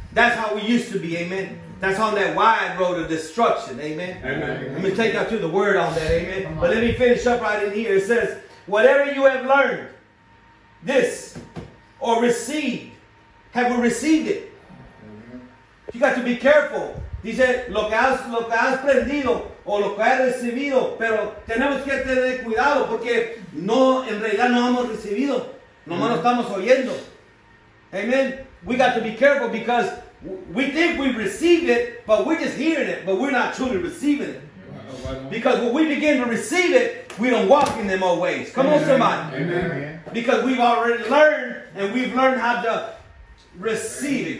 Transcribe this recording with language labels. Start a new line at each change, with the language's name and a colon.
English: That's how we used to be. Amen. That's on that wide road of destruction. Amen. Amen. Let me take y'all through the word on that. Amen. But let me finish up right in here. It says, whatever you have learned, this, or received, have you received it? Amen. You got to be careful.
Spanish: Dice, lo que has aprendido o lo que has recibido, pero tenemos que tener cuidado porque no, en realidad no hemos recibido, nomás lo estamos oyendo.
English: Amen. We got to be careful because we think we've received it, but we're just hearing it, but we're not truly receiving it. Because when we begin to receive it, we don't walk in them old ways. Come Amen. On, somebody. Amen. Because we've already learned, and we've learned how to receive it.